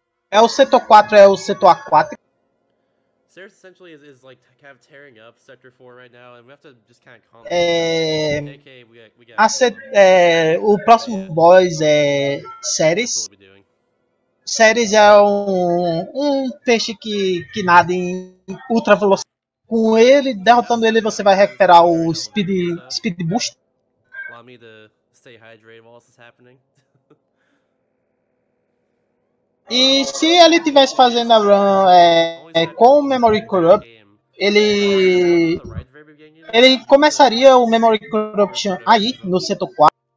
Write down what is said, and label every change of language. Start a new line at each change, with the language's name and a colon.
Portuguese: É o setor 4, é o setor aquático.
English: Ceres essentially is like kind of tearing up Sector 4 right now, and we have to just kind of calm down. AKA, we got a set,
Portuguese: o próximo boss é Ceres. Ceres é um peixe que nada em ultra velocidade. Com ele, derrotando ele, você vai recuperar o speed boost.
English: Allow me to stay hydrated while this is happening.
Portuguese: E se ele tivesse fazendo a run com o Memory Corrupt, ele começaria o Memory Corruption aí, no setor 4.